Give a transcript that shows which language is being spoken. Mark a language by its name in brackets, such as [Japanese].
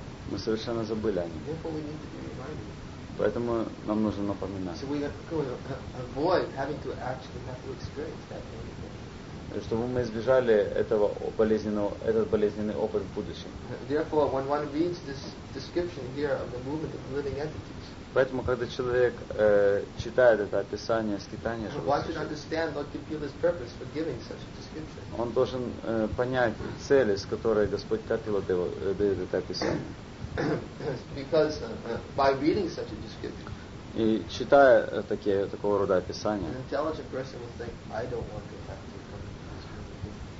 [Russian] Мы совершенно забыли о нем. Поэтому нам нужно напоминать. [English] So we avoid having to actually have to experience that pain. [Russian] Чтобы мы избежали этот болезненный опыт в будущем. [English] Therefore, when one reads this description here of the movement of living entities. [Russian] Поэтому, когда человек читает это описание скитания живых существ, он должен понять цели, с которой Господь Капила дает это описание. [English] Because by reading such a description, [Russian] и читая такого рода описания, [English] an intelligent person will think, I don't want to have to.